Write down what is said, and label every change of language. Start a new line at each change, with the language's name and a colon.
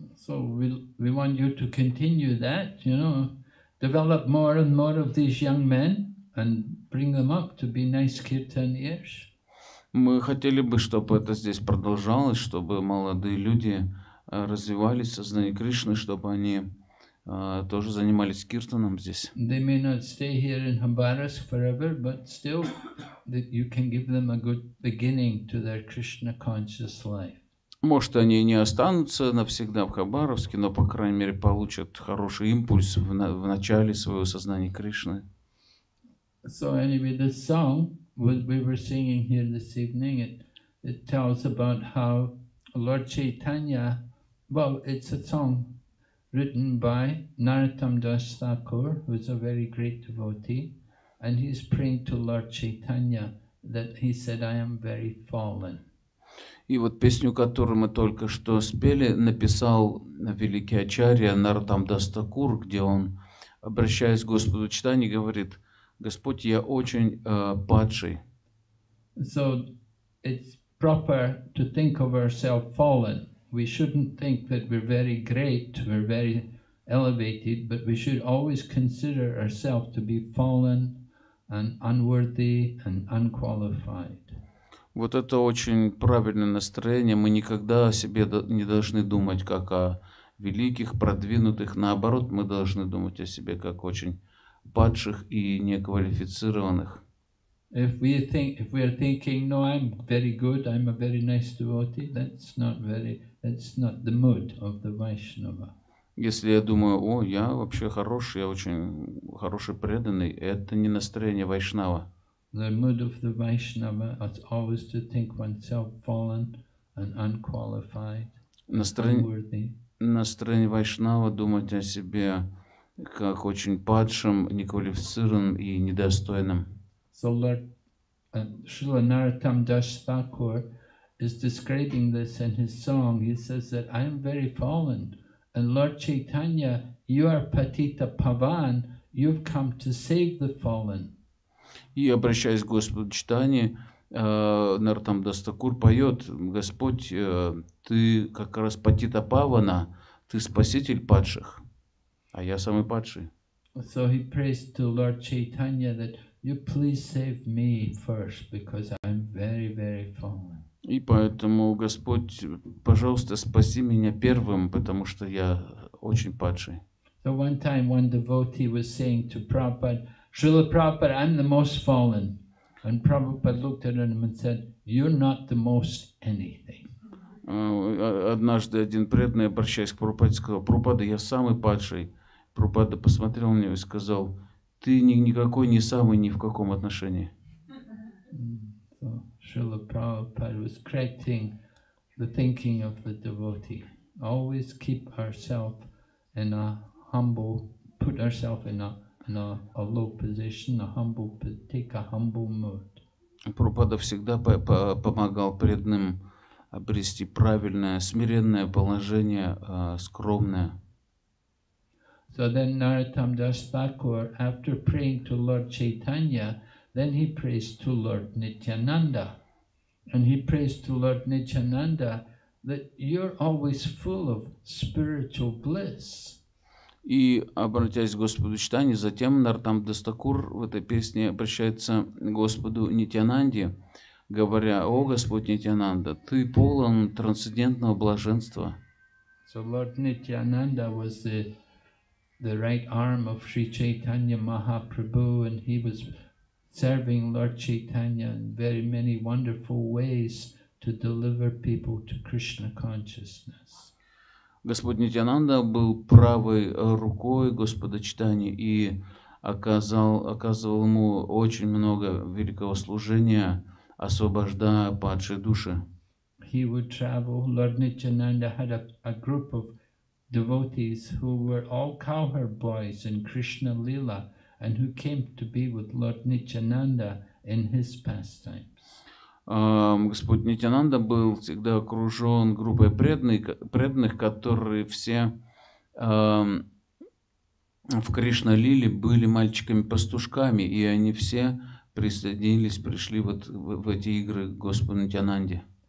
English: So we want you to continue that, you know, develop more and more of these young men and bring them up to be nice kirtaniers.
Russian: Мы хотели бы, чтобы это здесь продолжалось, чтобы молодые люди развивались в сознании Кришны, чтобы они тоже занимались киртаном здесь.
English: They may not stay here in Khabarovsk forever, but still you can give them a good beginning to their Krishna conscious life.
Russian: Может, они не останутся навсегда в Хабаровске, но, по крайней мере, получат хороший импульс в начале своего сознания Кришны.
English: So anyway, the song we were singing here this evening, it tells about how Lord Chaitanya, well, it's a song written by Narottam Das Thakur, who is a very great devotee, and he's praying to Lord Chaitanya that he said, I am very fallen.
Russian: И вот песню, которую мы только что спели, написал великий ачарья Нарадам Дас Такур, где он, обращаясь к Господу Читани, говорит, «Господь, я очень падший».
English: So it's proper to think of ourselves fallen. We shouldn't think that we're very great, we're very elevated, but we should always consider ourselves to be fallen and unworthy and unqualified.
Russian: Вот это очень правильное настроение. Мы никогда о себе не должны думать как о великих, продвинутых. Наоборот, мы должны думать о себе как очень падших и неквалифицированных.
English: If we think, if we are thinking, no, I'm very good, I'm a very nice devotee, that's not the mood of the Vaishnava.
Russian: Если я думаю, о, я вообще хороший, я очень хороший преданный, это не настроение Вайшнава.
English: The mood of the Vaishnava is always to think oneself fallen and unqualified, unworthy.
Russian: Настроение Вайшнава думать о себе как очень падшим, неквалифицированным и недостойным.
English: So Lord Srila Narottam Das Thakur is describing this in his song. He says that I am very fallen, and Lord Chaitanya, you are Patita Pavan, you've come to save the fallen.
Russian: И обращаясь к Господу Читани, Нартам Дастакур поет, Господь, ты как раз Патита Павана, ты спаситель падших, а я самый падший.
English: So he prays to Lord Chaitanya that you please save me first, because I'm very, very fallen.
Russian: И поэтому, Господь, пожалуйста, спаси меня первым, потому что я очень падший.
English: So one time one devotee was saying to Prabhupada, Srila Prabhupada, I'm the most fallen. And Prabhupada looked at him and said, you're not the most anything.
Russian: Однажды один преданный, обращаясь к Прабхупаде, сказал, Прабхупада, я самый падший. Прабхупада посмотрел на него и сказал, ты никакой не самый ни в каком отношении.
English: So, Srila Prabhupada was correcting the thinking of the devotee. Always keep ourselves in a humble, put ourselves in a low position, a humble, take a humble mood.
Russian: Прабхупада всегда помогал преданным обрести правильное, смиренное положение, скромное.
English: So then Narottam Das Thakur, after praying to Lord Chaitanya, then he prays to Lord Nityananda. And he prays to Lord Nityananda that you're always full of spiritual bliss.
Russian: И, обратясь к Господу Читани, затем Нартам Дастакур в этой песне обращается к Господу Нитянанде, говоря, «О, Господь Нитянанда, ты полон трансцендентного блаженства».
English: So Lord Nityananda was the right arm of Sri Chaitanya Mahaprabhu, and he was serving Lord Chaitanya in very many wonderful ways to deliver people to Krishna consciousness.
Russian: Господь Нитянанда был правой рукой Господа Читани и оказывал ему очень много великого служения, освобождая падшие души.
English: He would travel. Lord Nityananda had a group of devotees who were all cowherd boys in Krishna Lila and who came to be with Lord Nityananda in his pastime.
Russian: Господь Нитянанда был всегда окружен группой преданных, которые все в Кришна-лиле были мальчиками-пастушками, и они все присоединились, пришли вот в эти игры Господу Нитянанде.